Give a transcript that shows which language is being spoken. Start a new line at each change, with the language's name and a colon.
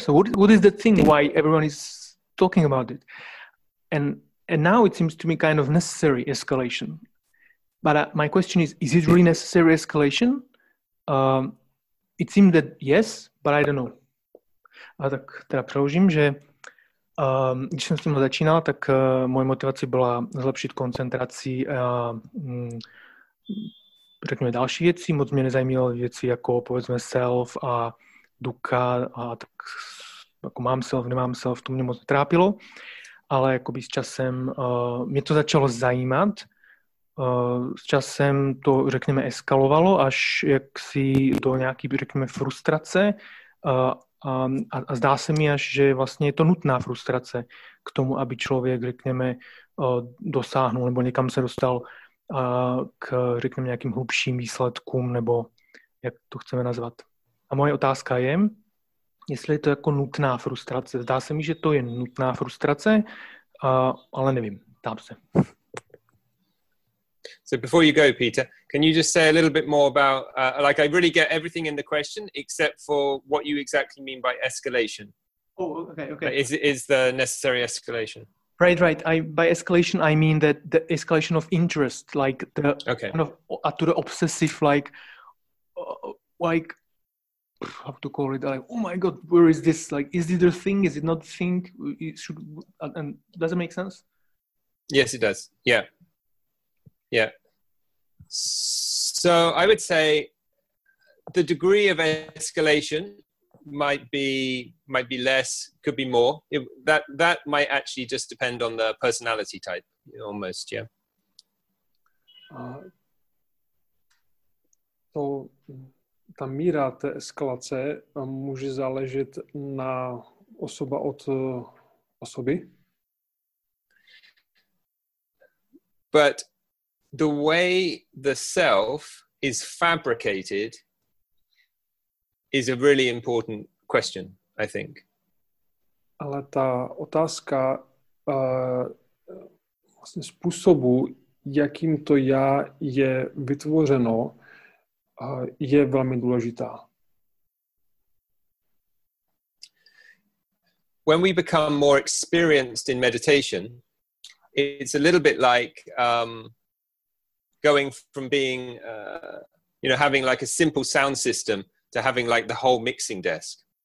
English: So what is the thing? Why everyone is talking about it? And now it seems to me kind of necessary escalation. But my question is it really necessary escalation? It seemed that yes, but I don't know.
Czech: A tak teda přeložím, že když jsem s tímhle začínal, tak moje motivace byla zlepšit koncentraci a řekněme další věci. Moc mě nezajímaly věci jako povedzme self a dukkha a tak jako mám self, nemám self, to mě moc trápilo. Ale jakoby s časem mě to začalo zajímat. S časem to řekněme eskalovalo až jaksi do nějaký řekněme frustrace a zdá se mi až, že vlastně je to nutná frustrace k tomu, aby člověk, řekněme, dosáhnul nebo někam se dostal k, řekněme, nějakým hlubším výsledkům nebo jak to chceme nazvat. A moje otázka je, jestli je to jako nutná frustrace. Zdá se mi, že to je nutná frustrace, ale nevím, ptám se.
English: So before you go, Peter, can you just say a little bit more about, like, I really get everything in the question except for what you exactly mean by escalation. Oh, okay. Is the necessary escalation? Right. By escalation, I mean that the escalation of interest, like the kind of to the obsessive, like how to call it, like, oh my God, where is this? Like, is it a thing? Is it not a thing? And does it make sense? Yes, it does. Yeah. Yeah. So I would say the degree of escalation might be less, could be more. That might actually just depend on the personality type, almost. Yeah.
Czech: To, ta míra té eskalace může záležet na osoba od osoby.
English: But the way the self is fabricated is a really important question, I think.
Czech: Ale ta otázka vlastně způsobu, jakým to já je vytvořeno, je velmi důležitá.
English: When we become more experienced in meditation, it's a little bit like going from being, you know, having like a simple sound system to having like the whole mixing desk.